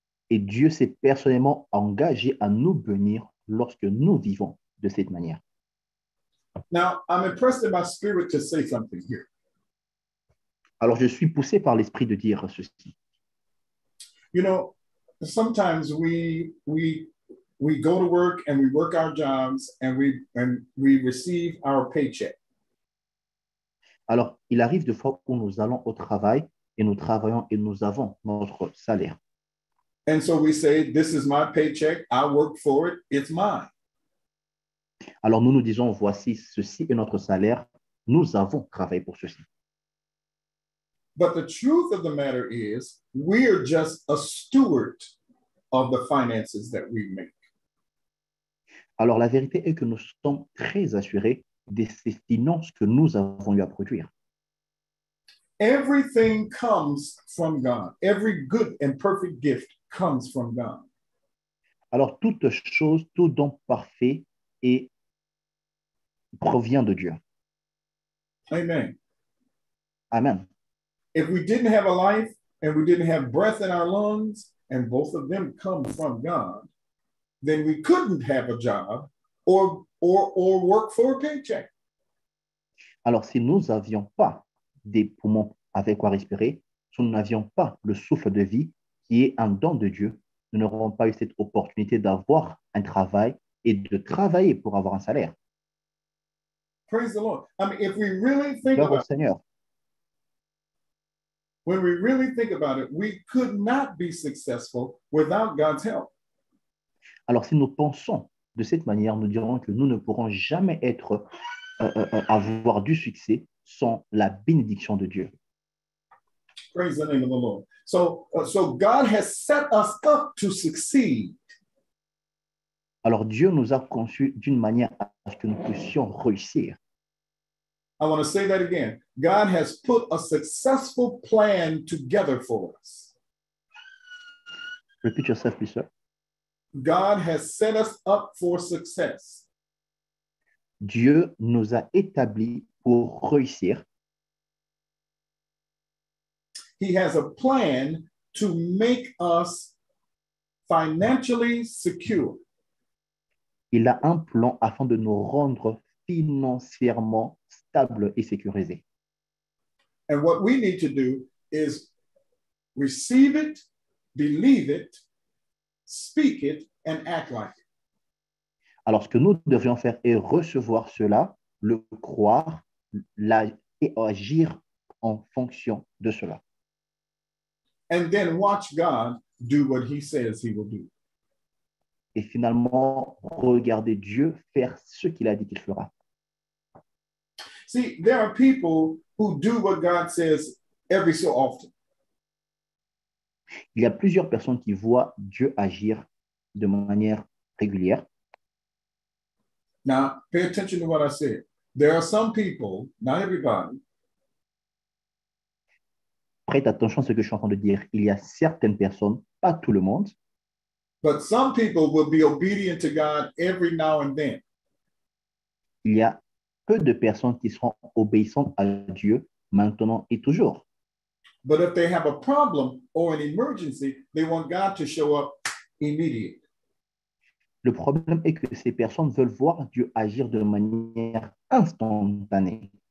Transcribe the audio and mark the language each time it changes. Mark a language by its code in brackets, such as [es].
[fr] Et Dieu s'est personnellement engagé à nous bénir lorsque nous vivons de cette manière. [en] Now, I'm impressed in my spirit to say something here. [fr] Alors, je suis poussé par l'esprit de dire ceci. [en] You know, sometimes we go to work and we work our jobs and we receive our paycheck. [fr] Alors, il arrive des fois où nous allons au travail et nous travaillons et nous avons notre salaire. [en] And so we say, this is my paycheck, I work for it, it's mine. [fr] Alors nous nous disons, voici, ceci est notre salaire, nous avons travaillé pour ceci. [en] But the truth of the matter is, we are just a steward of the finances that we make. [fr] Alors, la vérité est que nous sommes très assurés de ces finances que nous avons eu à produire. [en] Everything comes from God. Every good and perfect gift comes from God. [fr] Alors, toute chose, tout don parfait provient de Dieu. [en] Amen. [fr] Amen. [en] If we didn't have a life and we didn't have breath in our lungs, and both of them come from God, then we couldn't have a job or work for a paycheck. [fr] Alors, si nous n'avions pas des poumons avec quoi respirer, si nous n'avions pas le souffle de vie qui est un don de Dieu, nous n'aurons pas eu cette opportunité d'avoir un travail et de travailler pour avoir un salaire. [en] Praise the Lord. I mean, if we really think [fr] Gloire [en] about [fr] au Seigneur. [en] When we really think about it, we could not be successful without God's help. [fr] Alors, si nous pensons de cette manière, nous dirons que nous ne pourrons jamais être avoir du succès sans la bénédiction de Dieu. [en] Praise the name of the Lord. So God has set us up to succeed. [fr] Alors Dieu nous a conçus d'une manière à ce que nous puissions réussir. [en] I want to say that again. God has put a successful plan together for us. Repeat yourself, please, sir. God has set us up for success. [fr] Dieu nous a établis pour réussir. [en] He has a plan to make us financially secure. [fr] Il a un plan afin de nous rendre financièrement stables et sécurisés. [en] And what we need to do is receive it, believe it, speak it, and act like it. [fr] Alors, ce que nous devrions faire est recevoir cela, le croire et agir en fonction de cela. [en] And then watch God do what he says he will do. [fr] Et finalement, regarder Dieu faire ce qu'il a dit qu'il fera. [en] See, there are people who do what God says every so often. [fr] Il y a plusieurs personnes qui voient Dieu agir de manière régulière. [en] Now, pay attention to what I said. There are some people, not everybody. [fr] Prête attention à ce que je suis en train de dire. Il y a certaines personnes, pas tout le monde. [en] But some people will be obedient to God every now and then. [fr] Il y a peu de personnes qui seront obéissantes à Dieu maintenant et toujours. [en] But if they have a problem or an emergency, they want God to show up immediately. [fr] Le problème est que ces personnes veulent voir Dieu agir de manière instantanée.